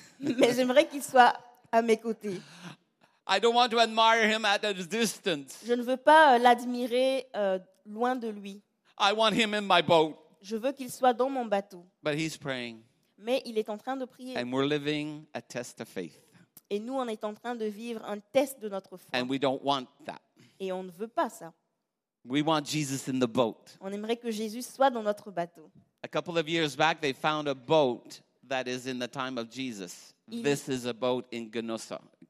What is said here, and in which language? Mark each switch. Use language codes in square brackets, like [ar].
[fr] Mais j'aimerais qu'il soit à mes côtés. [en] I don't want to admire him at a distance. [fr] Je ne veux pas l'admirer loin de lui. [en] I want him in my boat. [fr] Je veux qu'il soit dans mon bateau. [en] But he's praying. [fr] Mais il est en train de prier. [en] And we're living a test of faith. [fr] Et nous, on est en train de vivre un test de notre foi. [en] And we don't want that. [fr] Et on ne veut pas ça. [en] We want Jesus in the boat. [fr] On aimerait que Jésus soit dans notre bateau. [en] A couple of years back, they found a boat that is in the time of Jesus. This is a boat in Gennosa.